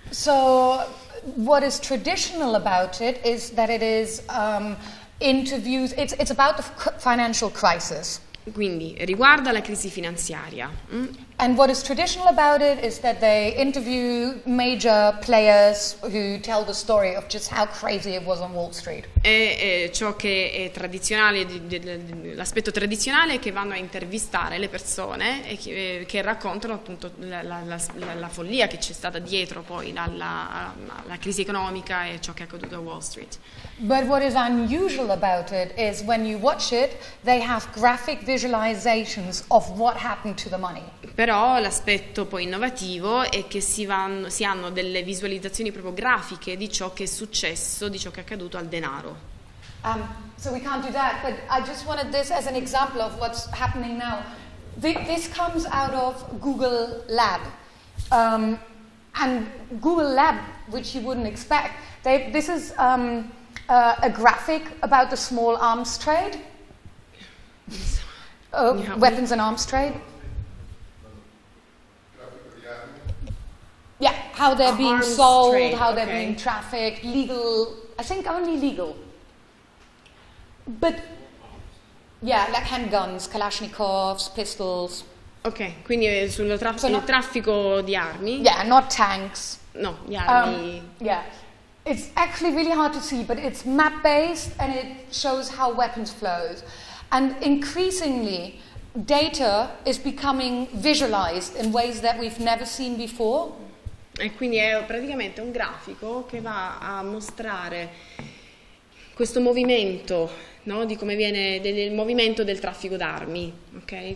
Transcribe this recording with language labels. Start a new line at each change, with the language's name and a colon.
English: So what is traditional about it is that it is interviews, it's about the financial crisis.
Italian: Quindi riguarda la crisi finanziaria.
English: And what is traditional about it is that they interview major players who tell the story of just how crazy it was on Wall Street.
Italian: E ciò che è tradizionale, l'aspetto tradizionale è che vanno a intervistare le persone e che raccontano appunto la follia che c'è stata dietro poi alla crisi economica e ciò che è accaduto a Wall Street.
English: But what is unusual about it is when you watch it, they have graphic visualizations of what happened to the money.
Italian: Però l'aspetto poi innovativo è che si hanno delle visualizzazioni proprio grafiche di ciò che è successo, di ciò che è accaduto al denaro.
English: So we can't do that, but I just wanted this as an example of what's happening now. This comes out of Google Lab. And Google Lab, which you wouldn't expect, this is a graphic about the small arms trade. Weapons and arms trade. Yeah, how they're being sold, trade. How they're being trafficked, legal, I think only legal. But, yeah, like handguns, Kalashnikovs, pistols.
Italian: Ok, quindi sul traffico di armi.
English: Yeah, not tanks.
Italian: No, gli armi.
English: Yeah, it's actually really hard to see, but it's map-based and it shows how weapons flow. And increasingly, data is becoming visualized in ways that we've never seen before.
Italian: E quindi è praticamente un grafico che va a mostrare questo movimento, no? Di come viene del movimento del traffico d'armi, ok?